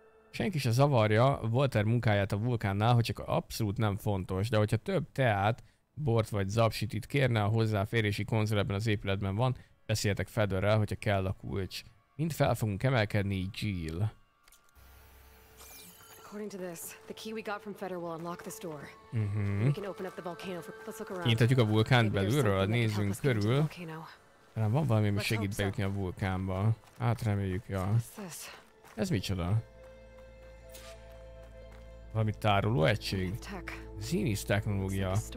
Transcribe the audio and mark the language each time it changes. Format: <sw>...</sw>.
<hu>Senki se zavarja Walter munkáját a vulkánnál, hogy csak abszolút nem fontos, de hogyha több teát, bort vagy zapsit itt kérne, a hozzáférési konzol ebben az épületben van, beszéltek Fedorral, hogyha kell a kulcs. Mind fel fogunk emelkedni, Jill.</hu> <en>According to this, the key we got from Fedor will unlock this door. We can open up the volcano. Let's look around.</en> <hu>Kinyitjuk a vulkánt belülről, nézzünk körül. Talán van valami, ami segít bejutni a vulkánba. Hát reméljük, ja. Ez micsoda? Valami tároló egység? Zenith technológia.</hu>